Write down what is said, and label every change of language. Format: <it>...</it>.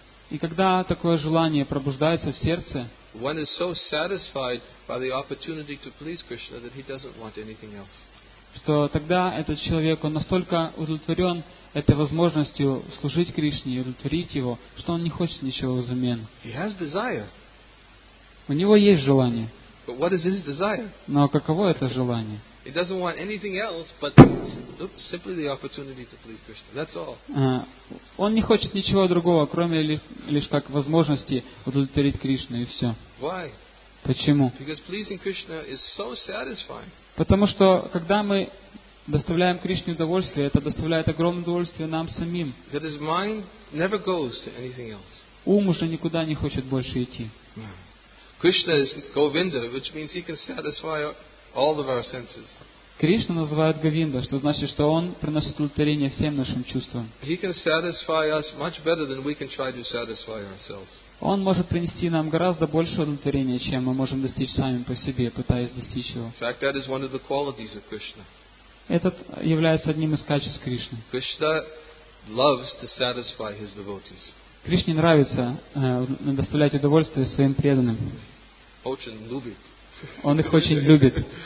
<ru>И когда такое желание пробуждается в сердце,</ru> <en>one is so satisfied by the opportunity to please Krishna that he doesn't want anything else.</en> <ru>Что тогда этот человек, он настолько удовлетворен этой возможностью служить Кришне и удовлетворить его, что он не хочет ничего взамен.</ru> <en>He has desire.</en> <ru>У него есть желание.</ru> <en>But what is his desire?</en> <ru>Но каково это желание?</ru> <en>He doesn't want anything else, but simply the opportunity to please Krishna. That's all.</en> <ru>Он не хочет ничего другого, кроме лишь как возможности удовлетворить Кришну и все.</ru> <en>Why?</en> <ru>Почему?</ru> <en>Because pleasing Krishna is so satisfying.</en> <ru>Потому что, когда мы доставляем Кришне удовольствие, это доставляет огромное удовольствие нам самим.</ru> <en>That his mind never goes to anything else.</en> <ru>Ум уже никуда не хочет больше идти.</ru> <en>Krishna is Govinda, which means he can satisfy all of our senses.</en> <ru>Кришна называют Говинда, что значит, что Он приносит удовлетворение всем нашим чувствам.</ru> <en>He can satisfy us much better than we can try to satisfy ourselves.</en> <ru>Он может принести нам гораздо больше удовлетворения, чем мы можем достичь сами по себе, пытаясь достичь его.</ru> <en>In fact, that is one of the qualities of Krishna.</en> <ru>Этот является одним из качеств Кришны.</ru> <en>Krishna loves to satisfy his devotees.</en> <ru>Кришне нравится доставлять удовольствие своим преданным. Очень любит. Он их очень любит.</ru>